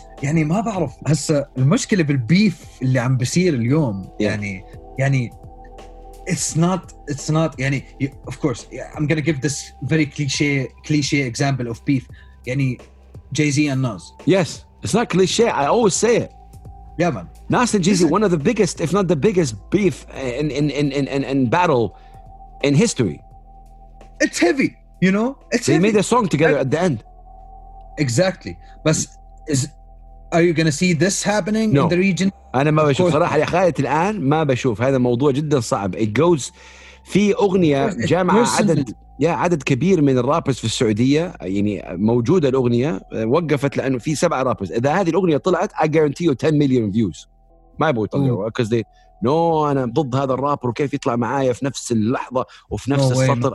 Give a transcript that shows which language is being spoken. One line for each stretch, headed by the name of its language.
Arabic: ما بعرف هسا المشكلة بالبيف اللي عم بصير اليوم.
English: It's not of course, I'm gonna give this very cliche example of beef. Jay-Z and Nas. Yes, it's not cliche, I always say it. Yeah, man. Nas and Jay-Z, one of the biggest, if not the biggest beef in battle in history. It's heavy, it's they heavy. Made a song together at the end. Exactly. But are you gonna see this happening in the region?
Arabic: أنا ما بشوف صراحة يا خالد الآن ما بشوف هذا موضوع جدا صعب.
English: It goes
Arabic: في أغنية جامعة عدد كبير من الرابرز في السعودية موجودة الأغنية وقفت لأنه في 7 رابرز. إذا هذه الأغنية طلعت
English: I guarantee you 10 million views.
Arabic: ما يبغوا يطلعوا
English: because they no
Arabic: أنا ضد هذا الرابر وكيف يطلع معايا في نفس اللحظة وفي نفس السطر.